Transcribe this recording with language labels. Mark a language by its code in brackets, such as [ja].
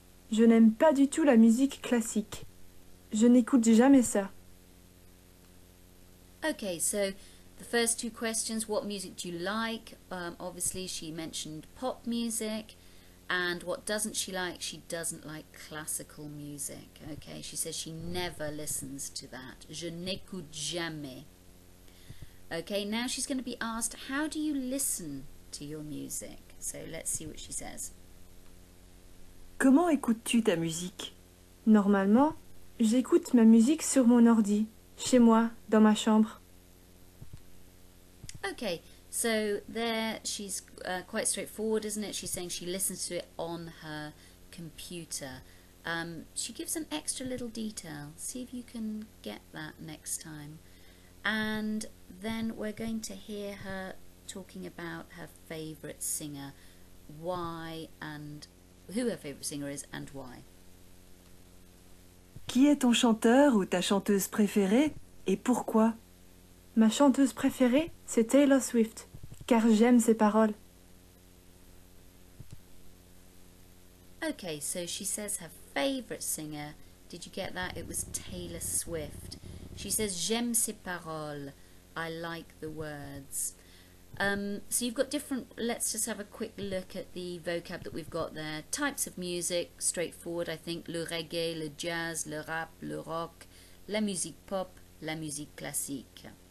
[fr] Je n'aime pas du tout la musique classique. Je n'écoute jamais ça. [en] Okay, so the first two questions, what music do you like? Obviously, she mentioned pop music. And what doesn't she like? She doesn't like classical music. Okay, she says she never listens to that. [fr] Je n'écoute jamais. [en] Okay, now she's going to be asked, how do you listen to your music? So let's see what she says. [fr] Comment écoutes-tu ta musique? Normalement, j'écoute ma musique sur mon ordi, chez moi, dans ma chambre. [en] Okay, so there she's quite straightforward, isn't it? She's saying she listens to it on her computer. She gives an extra little detail. See if you can get that next time. And then we're going to hear her talking about her favourite singer, why and who her favourite singer is and why. [fr] Qui est ton chanteur ou ta chanteuse préférée et pourquoi? Ma chanteuse préférée, c'est Taylor Swift, car j'aime ses paroles. [en] Okay, so she says her favourite singer, did you get that? It was Taylor Swift. She says, [fr] j'aime ses paroles, [en] I like the words. So you've got different, let's just have a quick look at the vocab that we've got there. Types of music, straightforward, I think. [fr] Le reggae, le jazz, le rap, le rock, la musique pop, la musique classique.